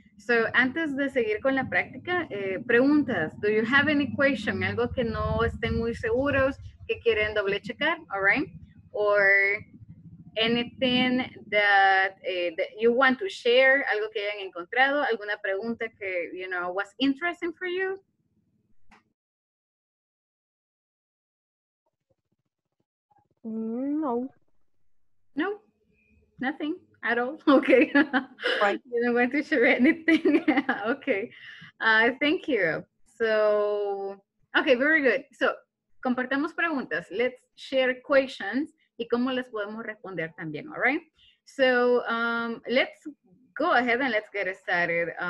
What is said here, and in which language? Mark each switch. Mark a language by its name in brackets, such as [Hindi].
[Spanish] So, antes de seguir con la práctica, preguntas. [English] Do you have any question? [Spanish] Algo que no estén muy seguros, que quieren doble checar, [English] all right? Or anything that you want to share, [Spanish] algo que hayan encontrado, alguna pregunta que, [English] you know, was interesting for you? No. No? Nothing at all? Okay. Right. You don't want to share anything? Okay. Thank you. So, okay, very good. So, [Spanish] compartamos preguntas. [English] Let's share questions. [Spanish] Y cómo les podemos responder también, [English] all right? So, let's go ahead and let's get started.